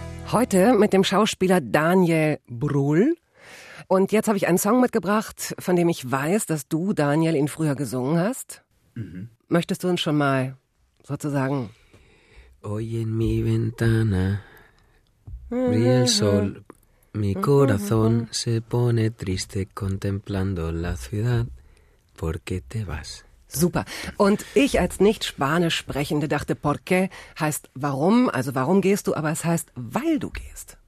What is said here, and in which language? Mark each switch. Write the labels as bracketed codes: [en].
[de] Heute mit dem Schauspieler Daniel Brühl. Und jetzt habe ich einen Song mitgebracht, von dem ich weiß, dass du, Daniel, ihn früher gesungen hast. Mhm. Möchtest du uns schon mal sozusagen... [es] Hoy en mi ventana brilla el sol. Mi corazón se pone triste contemplando la ciudad. ¿Por qué te vas? [de] Super. Und ich als nicht Spanisch sprechende dachte, [es] ¿por qué? [de] Heißt warum, also warum gehst du, aber es heißt, weil du gehst.